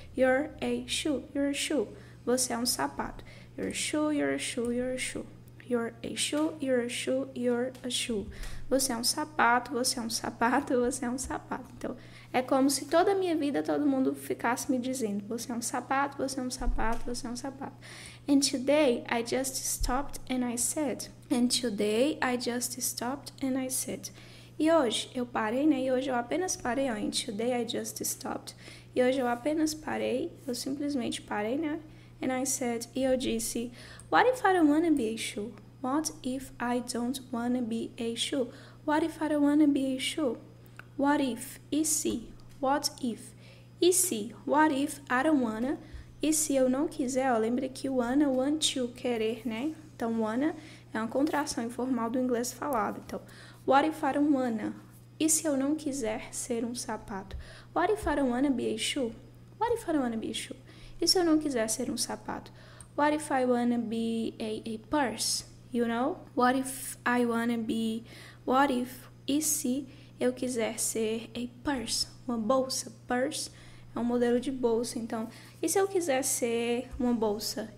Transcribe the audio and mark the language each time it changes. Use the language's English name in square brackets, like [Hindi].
[English] You're a shoe, you're a shoe. [Portuguese] Você é um sapato. [English] You're a shoe, you're a shoe, you're a shoe. You're a shoe, you're a shoe, you're a shoe. [Portuguese] Você é um sapato, você é um sapato, você é um sapato. Então, é como se toda a minha vida todo mundo ficasse me dizendo: você é um sapato, você é um sapato, você é um sapato. [English] And today I just stopped and I said. And today I just stopped and I said. [Portuguese] E hoje eu parei, né? E hoje eu apenas parei, ó. [English] And today I just stopped. [Portuguese] E hoje eu apenas parei, eu simplesmente parei, né? [English] And I said, [Portuguese] e eu disse, [English] what if I don't wanna be a shoe? What if I don't wanna be a shoe? What if I don't wanna be a shoe? What if? [Portuguese] E se? [English] What if? E se? What if I don't wanna? [Portuguese] E se eu não quiser? Ó, lembra que o wanna, want to, querer, né? Então, wanna é uma contração informal do inglês falado. Então, [English] what if I don't wanna? [Portuguese] E se eu não quiser ser um sapato? [English] What if I don't wanna be a shoe? What if I don't wanna be a shoe? [Portuguese] E se eu não quiser ser um sapato? [English] What if I wanna be a purse? You know? What if I wanna be. What if? [Portuguese] E se eu quiser ser a purse? Uma bolsa. Purse é um modelo de bolsa. Então, e se eu quiser ser uma bolsa?